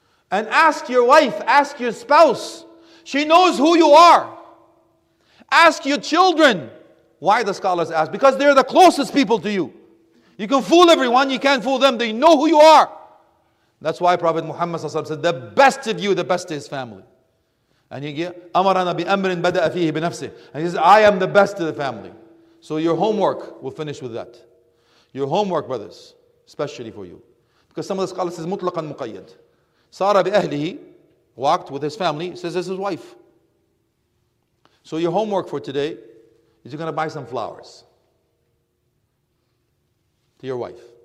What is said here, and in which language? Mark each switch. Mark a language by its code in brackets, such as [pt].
[en] And ask your wife, ask your spouse. She knows who you are. Ask your children. Why the scholars ask? Because they're the closest people to you. You can fool everyone, you can't fool them. They know who you are. That's why Prophet Muhammad ﷺ said, the best of you, the best of his family. And he said, [ar] أَمَرَنَا بِأَمْرٍ بَدَأَ فِيهِ بِنَفْسِهِ. [en] And he says, I am the best of the family. So your homework, will finish with that. Your homework, brothers, especially for you. Because some of the scholars says, [ar] مُطْلَقًا مُقَيَّد. صَارَ بِأَهْلِهِ. [en] Walked with his family, says it's his wife. So your homework for today is you're going to buy some flowers to your wife.